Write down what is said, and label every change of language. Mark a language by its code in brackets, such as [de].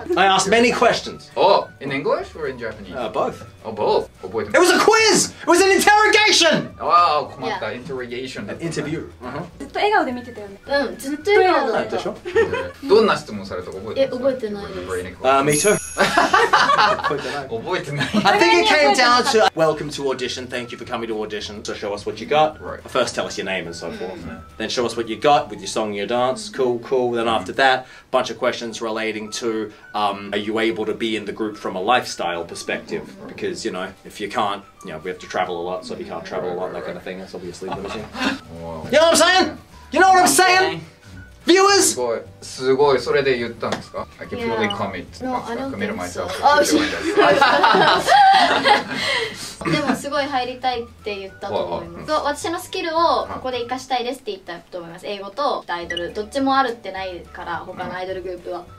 [en] I asked many questions. Oh, in English or in Japanese? Both. Oh, both. [ja] 覚えて [en] ます。It was a quiz! It was an interrogation! Wow, [ja] 困った。 [en] Interrogation. An interview. [ja] ずっと笑顔で見てたよね。うん、ずっと笑顔だった。でしょ？どんな質問されたか覚えてます？覚えてないです。 [en] Me too. [ja] 覚えてない。 [en] I think it came down to welcome to audition, thank you for coming to audition, so show us what you got. Right. First tell us your name and so forth. Then show us what you got with your song and your dance. Cool, cool. Then after that, bunch of questions relating to are you able to be in the group from a lifestyle perspective? Because, you know, if you can't, you know, we have to travel a lot, so if you can't travel a lot, kind of thing, that's obviously limiting. You know what I'm saying? You know what I'm saying? Viewers! [ja] すごい、それで言ったんですか? [en] I can fully commit. No, I don't think so. Oh, shit. [ja] でもすごい入りたいって言ったと思います。私のスキルをここで活かしたいですって言ったと思います。英語とアイドル、どっちもあるってないから、他のアイドルグループは。